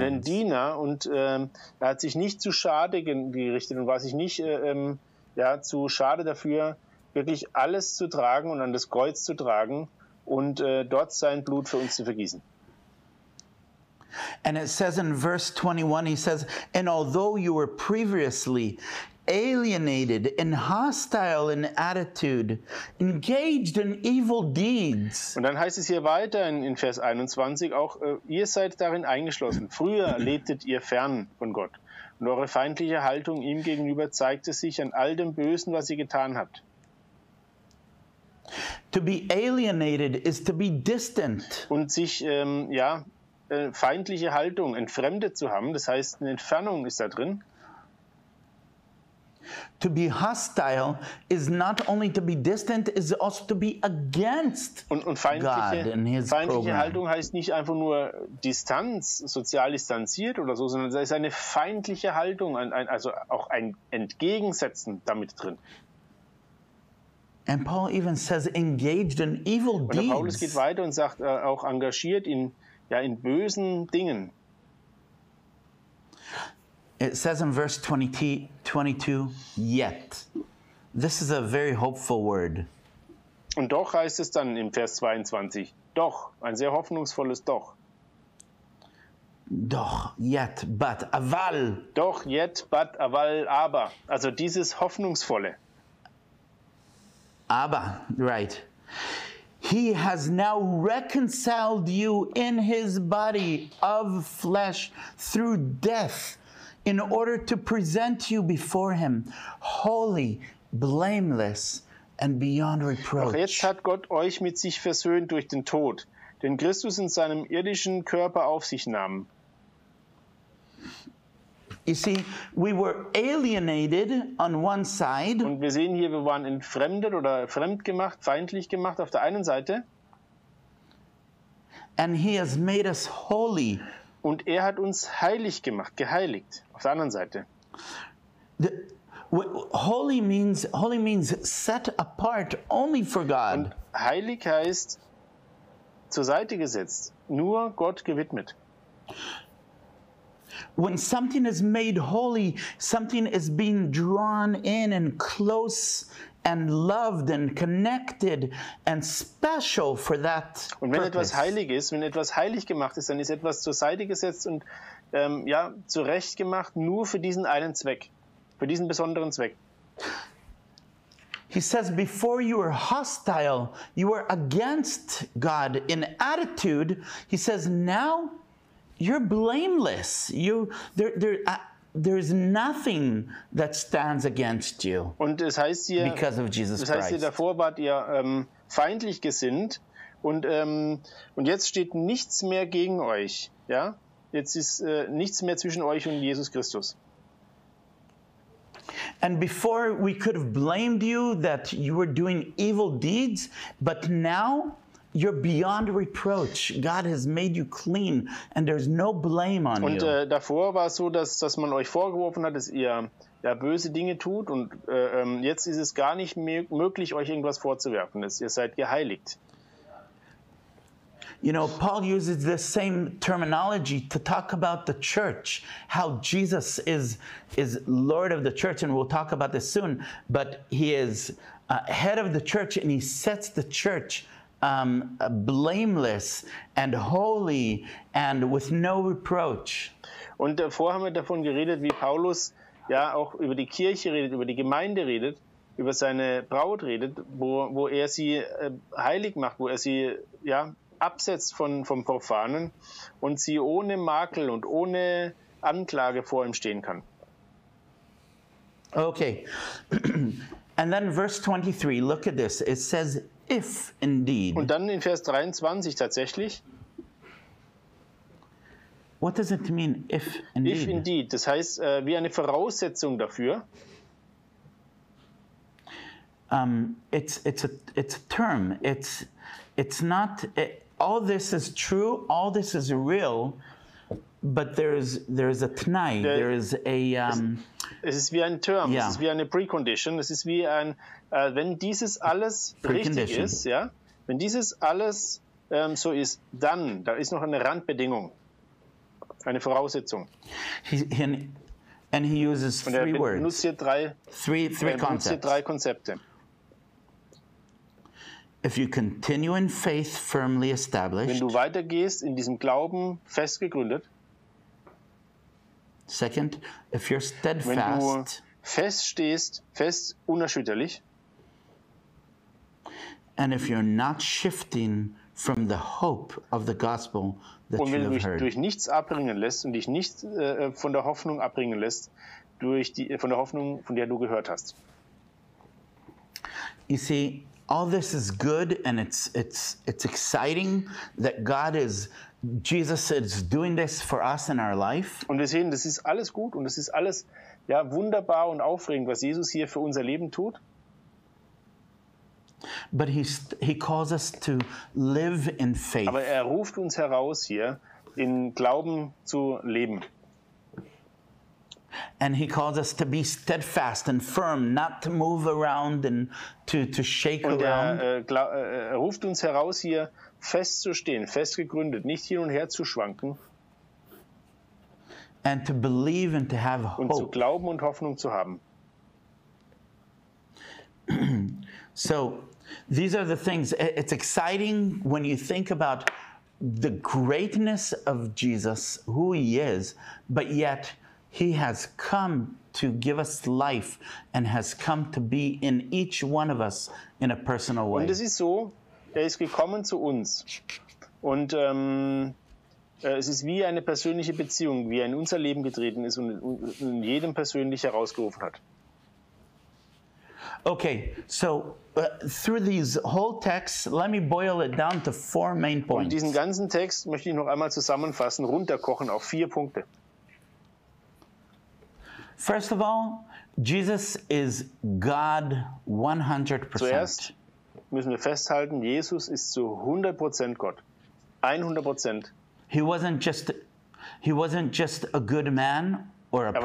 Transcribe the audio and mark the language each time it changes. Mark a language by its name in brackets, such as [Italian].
[German] Und ein Diener, und er hat sich nicht zu schade gerichtet und war sich nicht zu schade dafür, wirklich alles zu tragen und an das Kreuz zu tragen und dort sein Blut für uns zu vergießen. [English] And it says in verse 21, he says, and although you were previously alienated and hostile in attitude, engaged in evil deeds. [German] Und dann heißt es hier weiter in Vers 21 auch, ihr seid darin eingeschlossen. Früher lebtet ihr fern von Gott. Und eure feindliche Haltung ihm gegenüber zeigte sich an all dem Bösen, was ihr getan habt. [English] To be alienated is to be distant. [German] Und sich, feindliche Haltung, entfremdet zu haben, das heißt, eine Entfernung ist da drin. [English] To be hostile is not only to be distant, is also to be against God and his program. [German] Und feindliche Haltung heißt nicht einfach nur Distanz, sozial distanziert oder so, sondern es ist eine feindliche Haltung, also auch ein Entgegensetzen damit drin. [English] And Paul even says engaged in evil deeds. [German] Und Paulus geht weiter und sagt auch engagiert in bösen Dingen. [English] It says in verse 22, yet. This is a very hopeful word. [German] Und doch heißt es dann im Vers 22, doch, ein sehr hoffnungsvolles Doch. Doch, [English] yet, but, [Hebrew] aval. [German] Doch, [English] yet, but, [Hebrew] aval, [German] aber. Also dieses Hoffnungsvolle. Aber, [English] right. He has now reconciled you in his body of flesh through death, in order to present you before him, holy, blameless, and beyond reproach. [German] Doch jetzt hat Gott euch mit sich versöhnt durch den Tod, den Christus in seinem irdischen Körper auf sich nahm. [English] You see, we were alienated on one side. [German] Und wir sehen hier, wir waren entfremdet oder fremdgemacht, feindlich gemacht auf der einen Seite. [English] And he has made us holy. [German] Und er hat uns heilig gemacht, geheiligt, auf der anderen Seite. [English] Holy means set apart only for God. [German] Und heilig heißt zur Seite gesetzt, nur Gott gewidmet. [English] When something is made holy, something is being drawn in and close and loved and connected and special for that. [German] Und wenn [English] purpose. [German] Etwas heilig ist, wenn etwas heilig gemacht ist, dann ist etwas zur Seite gesetzt und zurecht gemacht nur für diesen einen Zweck, für diesen besonderen Zweck. [English] He says, before you were hostile, you were against God in attitude. He says, now you're blameless. There is nothing that stands against you. [German] Und es heißt hier, [English] because of Jesus Christ. [German] Das heißt hier, davor wart ihr feindlich gesinnt und jetzt steht nichts mehr gegen euch. Ja? Jetzt ist nichts mehr zwischen euch und Jesus Christus. [English] And before we could have blamed you that you were doing evil deeds, but now you're beyond reproach. God has made you clean and there's no blame on you. [German] Und davor war es so, dass man euch vorgeworfen hat, dass ihr böse Dinge tut und jetzt ist es gar nicht möglich, euch irgendwas vorzuwerfen. Ihr seid geheiligt. [English] You know, Paul uses the same terminology to talk about the church, how Jesus is Lord of the church, and we'll talk about this soon, but he is head of the church, and he sets the church blameless and holy and with no reproach. [German] Und davor haben wir davon geredet, wie Paulus ja auch über die Kirche redet, über die Gemeinde redet, über seine Braut redet, wo er sie heilig macht, wo er sie ja absetzt vom Profanen und sie ohne Makel und ohne Anklage vor ihm stehen kann. [English] Okay. And then verse 23, look at this. It says, if indeed. [German] Und dann in Vers 23 tatsächlich. [English] What does it mean, if indeed? If indeed, [German] das heißt, wie eine Voraussetzung dafür. [English] It's a term. It's not, all this is true, all this is real, but there is a [Hebrew] tnai, [English] there is a... [German] Es ist wie ein Term, [English] yeah. [German] Es ist wie eine Precondition, es ist wie ein, wenn dieses alles richtig ist, ja, wenn dieses alles so ist, dann, da ist noch eine Randbedingung, eine Voraussetzung. [English] He uses three words. [German] Und er benutzt hier drei Konzepte. [English] If you continue in faith firmly established. [German] Wenn du weitergehst in diesem Glauben fest gegründet. [English] Second, if you're steadfast. [German] Wenn du feststehst, fest unerschütterlich. [English] And if you're not shifting from the hope of the gospel that you have heard. [German] Und wenn du dich durch nichts abbringen lässt und dich nicht von der Hoffnung abbringen lässt, durch die von der Hoffnung, von der du gehört hast. [English] You see, all this is good and it's exciting that Jesus is doing this for us in our life. [German] Und wir sehen, das ist alles gut und das ist alles ja wunderbar und aufregend, was Jesus hier für unser Leben tut. [English] But he calls us to live in faith. [German] Aber er ruft uns heraus hier in Glauben zu leben. [English] And he calls us to be steadfast and firm, not to move around and to shake around. [German] Und er ruft uns heraus, hier festzustehen, festgegründet, nicht hin und her zu schwanken. [English] And to believe and to have hope. [German] Und zu glauben und Hoffnung zu haben. [English] So, these are the things. It's exciting when you think about the greatness of Jesus, who he is, but yet he has come to give us life and has come to be in each one of us in a personal way. [German] Und es ist so, er ist gekommen zu uns. Und es ist wie eine persönliche Beziehung, wie er in unser Leben getreten ist und in jedem persönlich herausgerufen hat. [English] Okay, so through these whole texts, let me boil it down to four main points. [German] Und diesen ganzen Text möchte ich noch einmal zusammenfassen, runterkochen auf vier Punkte. [English] First of all, Jesus is God 100%. [German] Zuerst müssen wir festhalten, Jesus ist zu 100% Gott. [English] 100%. He wasn't just a good man or a prophet.